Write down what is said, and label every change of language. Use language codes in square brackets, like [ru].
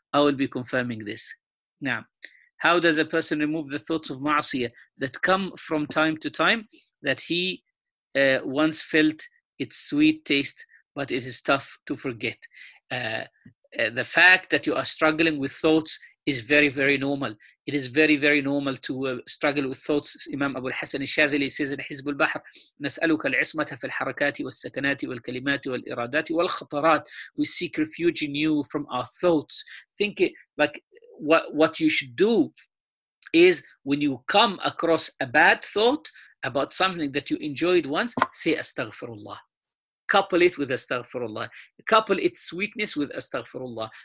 [en] I will be confirming this. Now, how does a person remove the thoughts of ma'asiyah that come from time to time that he once felt its sweet taste, but it is tough to forget? The fact that you are struggling with thoughts is very, very normal. It is very, very normal to struggle with thoughts. Imam Abu al-Hasan al-Shadhili says in Hizb al-Bahr, [ar] نسألك العصمة في الحركات والسكنات والكلمات والإرادات والخطرات. [en] We seek refuge in you from our thoughts. Think it like what you should do is when you come across a bad thought about something that you enjoyed once, say astaghfirullah. Couple it with astaghfirullah. Couple its sweetness with astaghfirullah.